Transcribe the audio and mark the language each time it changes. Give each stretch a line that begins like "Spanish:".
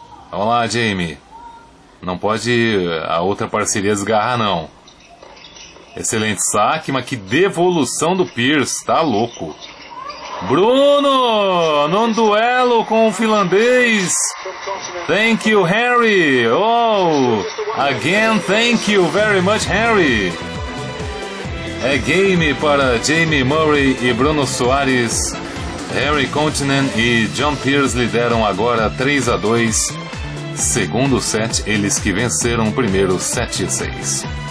Portuguese: Vamos lá, Jamie. Não pode a outra parceria desgarrar, não. Excelente saque, mas que devolução do Pierce, tá louco. Bruno, num duelo com o finlandês.
English: Thank you, Harry. Oh, again, thank you very much, Harry.
Portuguese: É game para Jamie Murray e Bruno Soares. Harry Continent e John Pierce lideram agora 3-2. Segundo set, eles que venceram o primeiro 7-6.